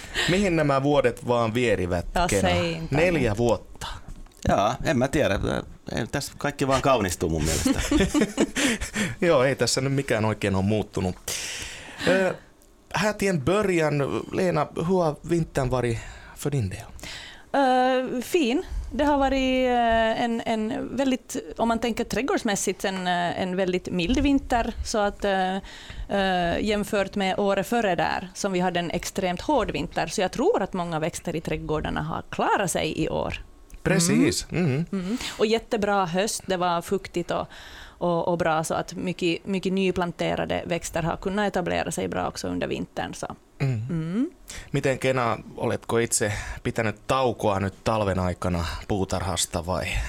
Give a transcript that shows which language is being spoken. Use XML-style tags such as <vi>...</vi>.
<fi>Mihin nämä vuodet vaan vierivät? Neljä vuotta. Joo, en mä tiedä. Tässä kaikki vaan kaunistuu mun mielestä. Joo, ei tässä nyt mikään oikein ole muuttunut.</fi> <sv>Hätien början, Lena, hur har vintern varit för din del? Fin. Det har varit en väldigt, om man tänker trädgårdsmässigt, en väldigt mild vinter. Så att jämfört med året före där, som vi hade en extremt hård vinter. Så jag tror att många växter i trädgårdarna har klarat sig i år. Precis. Och jättebra höst, det var fuktigt och bra, så att mycket, mycket nyplanterade växter har kunnat etablera sig bra också under vintern. Så.</sv> <fi>Miten Kena, oletko itse pitänyt taukoa nyt talven aikana puutarhasta vai?</fi>